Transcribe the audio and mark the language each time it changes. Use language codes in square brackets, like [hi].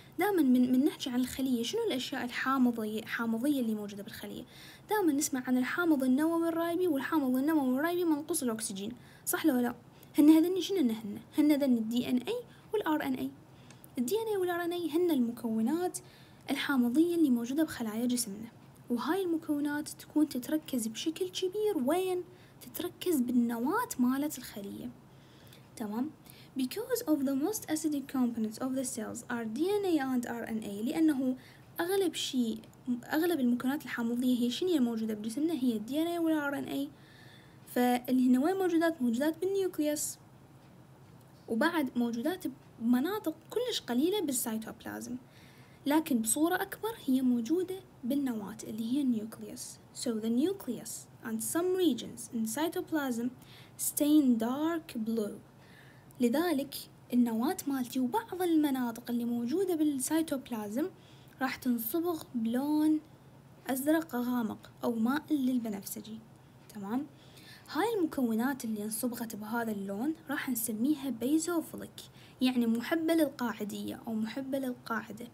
[ar] دائما من نحكي عن الخلية شنو الأشياء الحامضية اللي موجودة بالخلية، دائما نسمع عن الحامض النووي الرايبي، والحامض النووي الرايبي منقص الأكسجين، صح لو لا؟ هن هذني شنو هن؟ هن هذني الدي ان اي والار ان اي. الدي ان اي والار ان اي هن المكونات الحامضية اللي موجودة بخلايا جسمنا، وهاي المكونات تكون تتركز بشكل كبير وين؟ تتركز بالنواة مالت الخلية، تمام. [en] Because of the most acidic components of the cells are DNA and RNA، [ar] لأنه أغلب شيء أغلب المكونات الحامضية هي شنو موجودة بجسمنا؟ هي DNA والRNA. فاللي هن وين موجودات؟ موجودات بالنيوكليوس، وبعد موجودات بمناطق كلش قليلة بالسيتوبلازم، لكن بصورة أكبر هي موجودة بالنواة اللي هي النيوكليوس. [en] So the nucleus and some regions in cytoplasm stain dark blue. [ar] لذلك النواة مالتي وبعض المناطق اللي موجودة بالسيتوبلازم راح تنصبغ بلون أزرق غامق أو ماء للبنفسجي، تمام. هاي المكونات اللي انصبغت بهذا اللون راح نسميها بيزوفليك، يعني محبة للقاعدية أو محبة للقاعدة.